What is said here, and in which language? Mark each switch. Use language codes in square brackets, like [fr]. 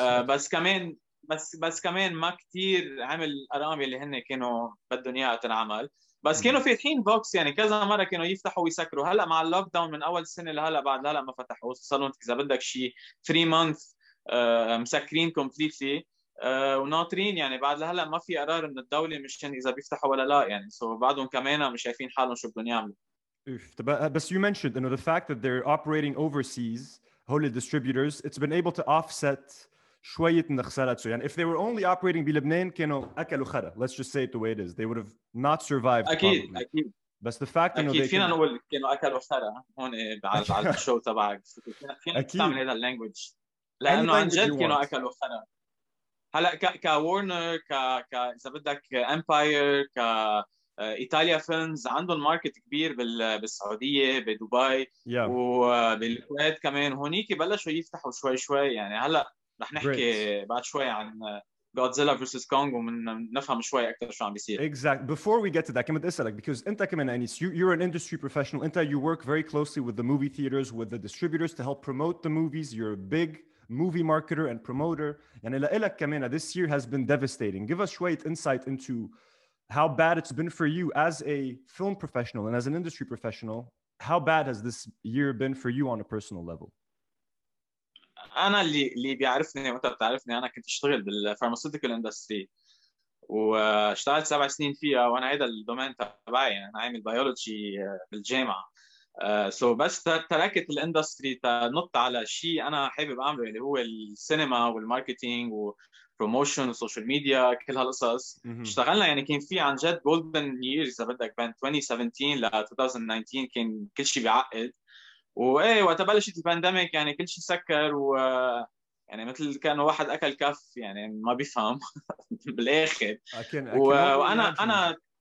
[ar] بس كمان ما كتير عمل الأرقام اللي هن كانوا بدهم اياها تنعمل بس كانوا فاتحين بوكس يعني كذا مره كانوا يفتحوا ويسكروا هلا مع اللوك داون من اول سنه لهلا بعد هلا ما فتحوا صار لهم اذا بدك شيء 3 مانث مسكرين كومبليتلي وناطرين يعني بعد لهلا ما في قرار من الدوله مشان اذا بيفتحوا ولا لا يعني سو بعدهم كمان مش شايفين حالهم شو بدهم يعملوا [en] بس you mentioned you know the fact that they're operating overseas holy distributors it's been able to offset [ar] شويه من خسارات يعني [en] if they were only operating [ar] بلبنان كانوا اكلوا خرا [en] let's just say it the way it is they would have not survived [ar] اكيد [en] probably. [ar] اكيد [en] بس the fact [ar] انه اكيد فينا نقول كانوا اكلوا خرا هون بعد على الشو تبعك فينا نستعمل هذا اللانجوج لانه عن جد كانوا اكلوا خرا هلا ك وورنر ك اذا بدك امباير ك ايطاليا فيلمز عندهم ماركت كبير بالسعوديه بدبي [en] yeah. [ar] وبالكويت كمان هنيك بلشوا يفتحوا شوي شوي يعني هلا رح نحكي Great. بعد شوي عن غودزيلا فيرسس كونغ ونفهم شوي اكثر شو عم بيصير [en] exactly before we get to that [ar] كمان اسالك [en] because [ar] انت كمان انيس [en] you're an industry professional انت you work very closely with the movie theaters with the distributors to help promote the movies you're a big movie marketer and promoter. [ar] يعني لإلك كمان, [en] this year has been devastating. Give us شوية insight into how bad it's been for you as a film professional and as an industry professional. How bad has this year been for you on a personal level? [ar] أنا اللي بيعرفني وانت بتعرفني أنا كنت اشتغل بال [en] pharmaceutical industry [ar] واشتغلت 7 سنين فيها وأنا عيدة الدومين تبعي أنا عامل biology بالجامعة سو بس تركت الاندستري تنط على شيء انا حابب اعمله اللي هو السينما والماركتينج وبروموشن والسوشيال ميديا كل هالقصص اشتغلنا يعني كان في عن جد [en] golden years [ar] اذا بدك بين 2017 ل 2019 كان كل شيء بيعقد وايه وقت بلشت البانديميك يعني كل شيء سكر و يعني مثل كان واحد اكل كف يعني ما بيفهم بالاخر وانا